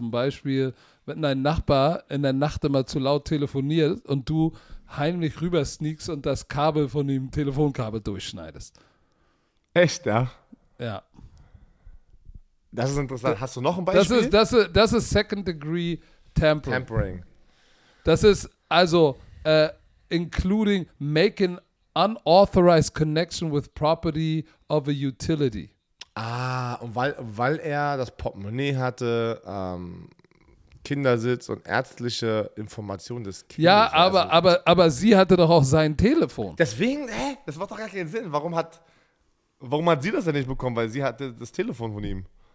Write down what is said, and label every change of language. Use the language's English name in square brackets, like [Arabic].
[German] Zum Beispiel, wenn dein Nachbar in der Nacht immer zu laut telefoniert und du heimlich rübersneakst und das Kabel von dem Telefonkabel durchschneidest. Echt, ja? Ja. Das ist interessant. Hast du noch ein Beispiel? Das ist Second Degree Tampering. Tampering. Das ist also [English] including making unauthorized connection with property of a utility. [German] Ah, und weil er das Portemonnaie hatte, Kindersitz und ärztliche Informationen des Kindes. Ja, aber sie hatte doch auch sein Telefon. Deswegen, das macht doch gar keinen Sinn. Warum hat sie das denn nicht bekommen? Weil sie hatte das Telefon von ihm.